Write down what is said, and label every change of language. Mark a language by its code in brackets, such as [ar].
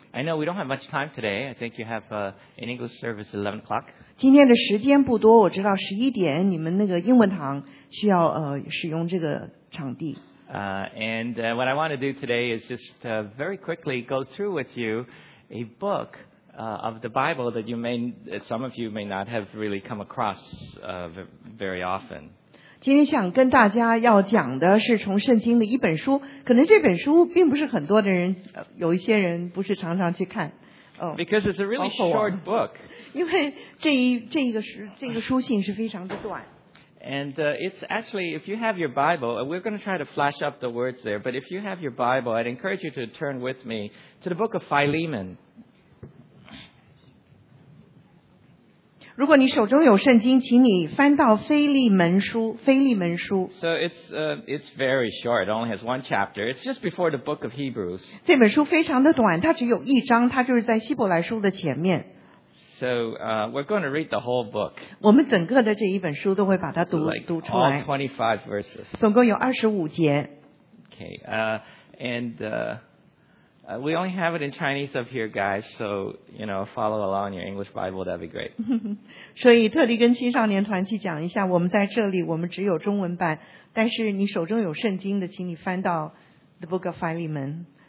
[en] I know we don't have much time today. I think you have an English service at 11 o'clock. [zh] 今天的时间不多，我知道十一点你们那个英文堂需要使用这个场地。 [en] And what I want to do today is just very quickly go through with you a book of the Bible that you may, some of you may not have really come across very often. [zh] 今天想跟大家要讲的是从圣经的一本书，可能这本书并不是很多的人，有一些人不是常常去看。 [en] Because it's a really short book. [zh] 因为这个书信是非常的短。 [en] And it's actually, if you have your Bible, we're going to try to flash up the words there, but if you have your Bible, I'd encourage you to turn with me to the book of Philemon. [zh] 如果你手中有圣经，请你翻到腓利门书，腓利门书。 [en] So it's very short, it only has one chapter. It's just before the book of Hebrews. [zh] 这本书非常的短，它只有一章，它就是在希伯来书的前面。 [en] So we're going to read the whole book. [zh] 我们整个的这一本书都会把它读读出来。 [en] All 25 verses. [zh] 总共有25节。 [en] Okay. We only have it in Chinese up here, guys. So you know, follow along in your English Bible. That'd be great. [zh] 所以特地跟青少年团去讲一下，我们在这里我们只有中文版，但是你手中有圣经的，请你翻到 [en] The Book of Philemon.